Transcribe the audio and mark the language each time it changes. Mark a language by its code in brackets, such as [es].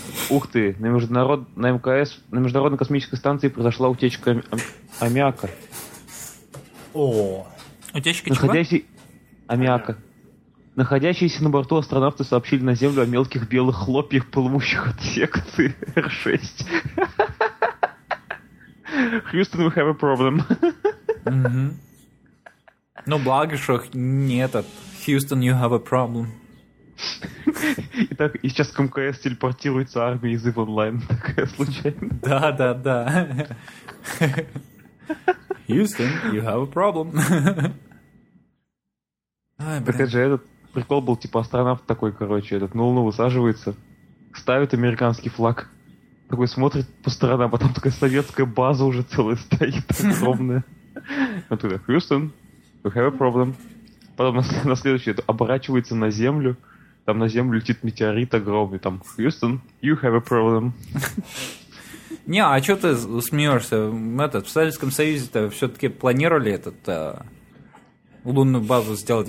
[ru] Ух ты, на МКС, на Международной космической станции произошла утечка аммиака. О, утечка находящий... чего? Аммиака. Находящиеся на борту астронавты сообщили на Землю о мелких белых хлопьях, плывущих от секции R6. [en] Хьюстон, we have a problem. [ru] Ну, благо, что не этот. [en] Хьюстон, you have a problem. [ru] Итак, и сейчас к МКС телепортируется армия из ИВ онлайн. Такая случайно. Да. [en] Хьюстон, you have a problem. [ru] Так это же этот прикол был, типа астронавт такой, короче, этот Нолан высаживается, ставит американский флаг, такой смотрит по сторонам, потом такая советская база уже целая стоит, огромная. Он такой, Хьюстон, [en] you have a problem. [ru] Потом на следующий оборачивается на землю, там на землю летит метеорит огромный, там, Хьюстон, [en] you have a problem. [ru] Не, а что ты смеешься? Этот, в Советском Союзе-то все-таки планировали этот лунную базу сделать.